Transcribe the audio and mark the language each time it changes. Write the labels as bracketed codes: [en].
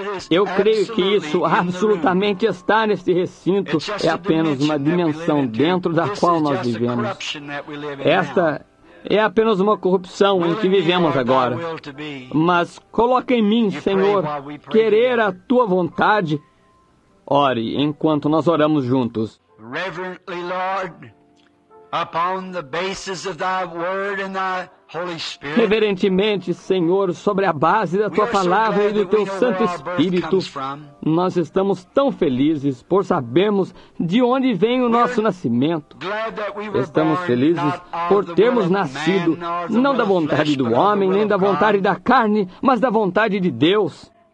[pt] Eu creio que isso absolutamente está neste recinto. É apenas uma dimensão dentro da qual nós vivemos. Esta é apenas uma corrupção em que vivemos agora. Mas coloque em mim, Senhor, querer a Tua vontade. Ore enquanto nós oramos juntos. [en] Reverently, Lord, upon the basis of Thy word and Thy Holy Spirit, [pt] reverentemente, Senhor, sobre a base da Tua palavra e do Teu Santo Espírito, nós estamos tão felizes por sabermos de onde vem o nosso nascimento. Estamos felizes por termos nascido, não da vontade do homem, nem da vontade da carne, mas da vontade de Deus.